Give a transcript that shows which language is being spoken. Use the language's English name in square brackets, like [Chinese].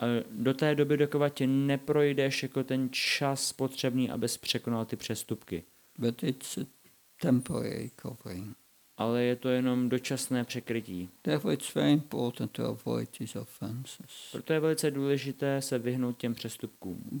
[Czech] Do té doby, dokud tě neprojdeš jako ten čas potřebný, abys překonal ty přestupky. [English] But it's a temporary covering. [Czech] Ale je to jenom dočasné překrytí. [English] Therefore it's very important to avoid these offenses. [Czech] Proto je velice důležité se vyhnout těm přestupkům.